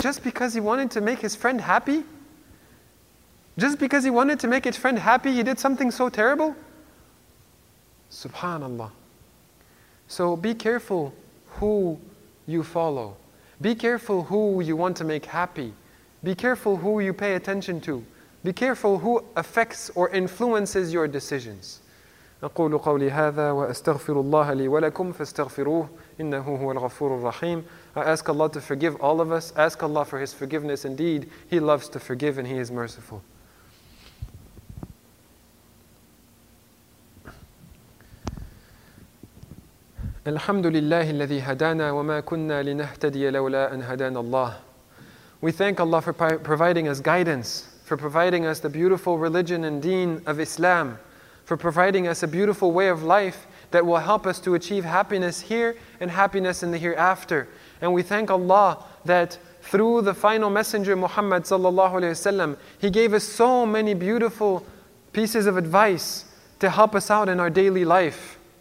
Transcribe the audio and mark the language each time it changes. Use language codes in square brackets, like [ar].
[en] Just because he wanted to make his friend happy? Just because he wanted to make his friend happy, he did something so terrible? Subhanallah. So be careful who you follow. Be careful who you want to make happy. Be careful who you pay attention to. Be careful who affects or influences your decisions. [ar] أقول قولي هذا وأستغفر الله لي ولكم فاستغفروه إنه هو الغفور الرحيم. [en] I ask Allah to forgive all of us. Ask Allah for His forgiveness. Indeed, He loves to forgive and He is merciful. [ar] الحمد لله الذي هدانا وما كنا لنهتدي لولا أن هدانا الله. [en] We thank Allah for providing us guidance, for providing us the beautiful religion and deen of Islam, for providing us a beautiful way of life that will help us to achieve happiness here and happiness in the hereafter. And we thank Allah that through the final messenger Muhammad sallallahu alaihi wasallam, He gave us so many beautiful pieces of advice to help us out in our daily life.